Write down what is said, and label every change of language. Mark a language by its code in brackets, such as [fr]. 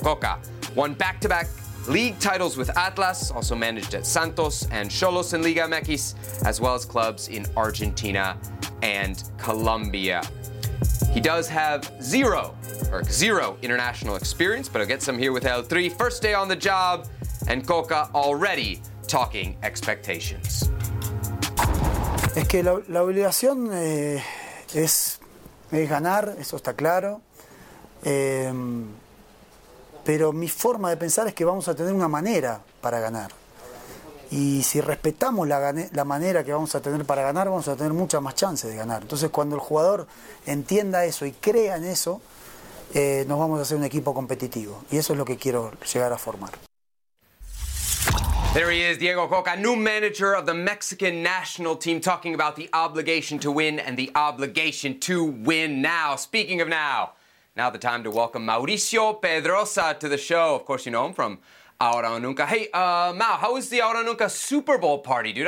[en] Coca won back-to-back league titles with Atlas, also managed at Santos and Cholos in Liga MX, as well as clubs in Argentina and Colombia. He does have zero international experience, but I'll get some here with El Tri. First day on the job, and Coca already talking expectations. [es] Es que la obligación es ganar, eso está claro. Pero mi forma de pensar es que vamos a tener una manera para ganar. Y si respetamos la manera que vamos a tener para ganar, vamos a tener muchas más chances de ganar. Entonces, cuando el jugador entienda eso y crea en eso, nos vamos a hacer un equipo competitivo. Y eso es lo que quiero llegar a formar. [en] There he is, Diego Coca, new manager of the Mexican national team, talking about the obligation to win and the obligation to win now. Speaking of now. Now the time to welcome Mauricio Pedrosa to the show. Of course, you know him from Ahora o Nunca. Hey, Mau, how was the Ahora o Nunca Super Bowl party, dude?